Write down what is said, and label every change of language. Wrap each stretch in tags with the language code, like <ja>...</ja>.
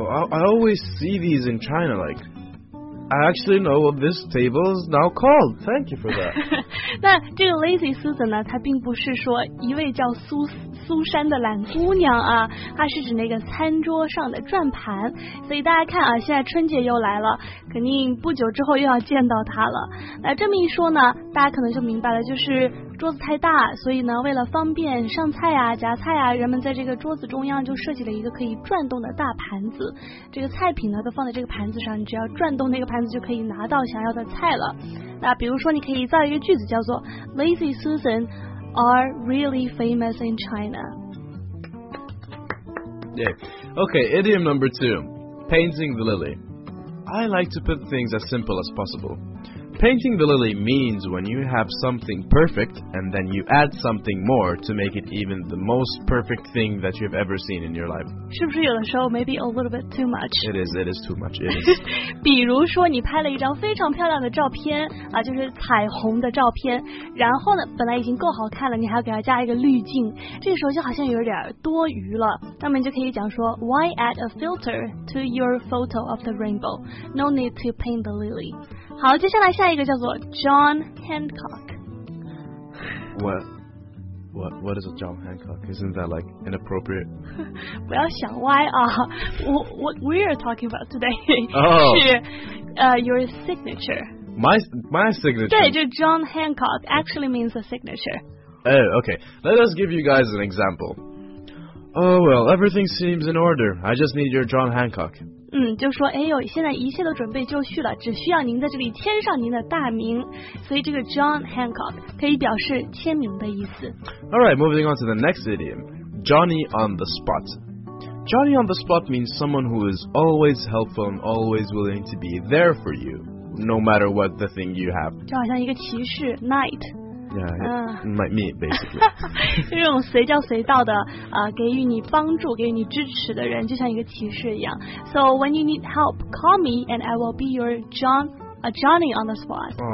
<en>I always see these in China, like... I actually know what this table is now called. Thank you for that.</en> <zh>那这个 lazy Susan 呢，它并不是说一位叫苏珊的懒姑娘啊，它是指那个餐桌上的转盘。所以大家看啊，现在春节又来了，肯定不久之后又要见到它了。那这么一说呢，大家可能就明白了，就是桌子太大，所以呢，为了方便上菜啊、夹菜啊，人们在这个桌子中央就设计了一个可以转动的大盘子。这个菜品呢，都放在这个盘子上，你只要转动那个盘子就可以拿到想要的菜了。那比如说，你可以造一个句子，叫做</zh> <en>Lazy Susan are really famous in China. Yeah. Okay, idiom number two. Painting the lily. I like to put things as simple as possible. Painting the lily means when you have something perfect and then you add something more to make it even the most perfect thing that you've ever seen in your life.</en> <zh>是不是有的时候</zh> <en>maybe a little bit too much? It is too much, it is.</en> <zh>比如说你拍了一张非常漂亮的照片啊，就是彩虹的照片，然后呢本来已经够好看了，你还要给它加一个滤镜，这个时候就好像有点多余了。那么你就可以讲说</zh> <en>Why add a filter to your photo of the rainbow? No need to paint the lily.</en> <zh>好，接下来下一个叫做 John Hancock.</zh> <en>What is a John Hancock? Isn't that like inappropriate?</en> <zh>不要想歪啊。</zh> <en>What we are talking about today、your signature. My signature?</en> <zh>对，就</zh> <en>John Hancock actually means a signature. Oh, okay. Let us give you guys an example. Oh, well, everything seems in order. I just need your John Hancock.</en> <zh>就说哎呦，现在一切都准备就绪了，只需要您在这里签上您的大名。所以这个 John Hancock 可以表示签名的意思。</zh> <en>Alright, moving on to the next idiom, Johnny on the spot. Johnny on the spot means someone who is always helpful and always willing to be there for you, no matter what the thing you have.</en> <zh>就好像一个骑士 Knight.</zh> <en>Yeah, me basically.</en> <zh>这种随叫随到的、给予你帮助给予你支持的人，就像一个骑士一样。</zh> <en>So when you need help, call me and I will be your Johnny on the spot.</en>